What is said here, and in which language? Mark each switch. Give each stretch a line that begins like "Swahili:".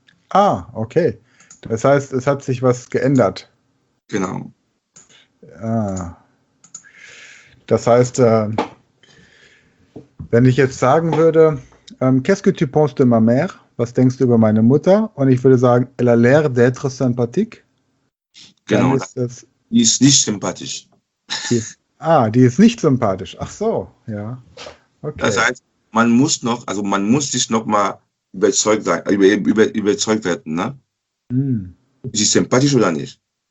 German: Ah, okay. Das heißt, es hat sich was geändert. Genau. Ah. Das heißt, wenn ich jetzt sagen würde,
French: qu'est-ce que tu penses de ma mère?
German: Was denkst du über meine Mutter? Und ich würde sagen,
French: elle a l'air d'être sympathique.
German: Genau. Die ist nicht sympathisch. Die ist nicht sympathisch. Ach so, ja. Okay. Das heißt, man muss sich noch mal überzeugt sein, überzeugt werden, ne? Sie ist sympathisch oder nicht?